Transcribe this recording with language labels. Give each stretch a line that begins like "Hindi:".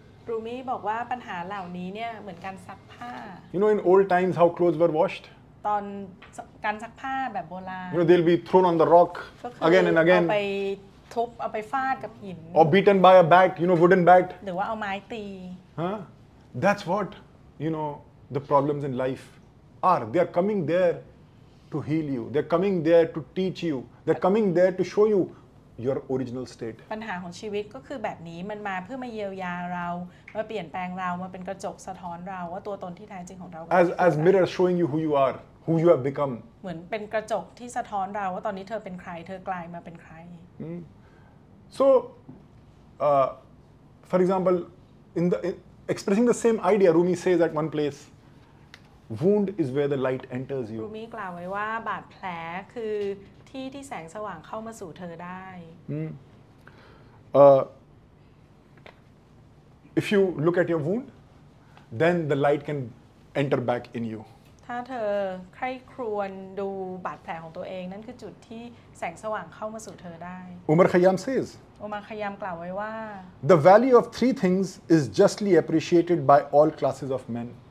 Thai: Rumi บอกว่าปัญหาเหล่านี้เนี่ยเหมือนการซักผ้า
English: You know, in old times, how clothes were washed?
Thai: ตอนการซักผ้าแบบโบราณ
English: You know, they'll be thrown on the rock again and again.
Thai: เอาไปทุบเอาไปฟาดกับหิน
English: Or beaten by a bat, you know, wooden bat.
Thai: หรือว่าเอาไม้ตี
English: Huh? That's what, you know, the problems in life are. They are coming there. To heal you, they're coming there to teach you. They're coming there to show you your original state.
Thai: ปัญหาของชีวิตก็คือแบบนี้มันมาเพื่อมาเยียวยาเรามาเปลี่ยนแปลงเรามาเป็นกระจกสะท้อนเราว่าตัวตนที่แท้จริงของเรา
English: As mirror showing you who you are, who you have become.
Thai: เหมือนเป็นกระจกที่สะท้อนเราว่าตอนนี้เธอเป็นใครเธอกลายมาเป็นใคร
English: So, for example, in expressing the same idea, Rumi says at one place. Wound is where the light enters you.
Thai: รูมีกล่าวไว้ว่าบาดแผลคือที่ที่แสงสว่างเข้ามาสู่เธอได้
English: If you look at your wound, then the light can enter back in you.
Thai: ถ้าเธอใคร่ครวญดูบาดแผลของตัวเองนั่นคือจุดที่แสงสว่างเข้ามาสู่เธอได้
English: Umar Khayyam says.
Thai: Umar Khayyam กล่าวไว้ว่า
English: The value of three things is justly appreciated by all classes of men.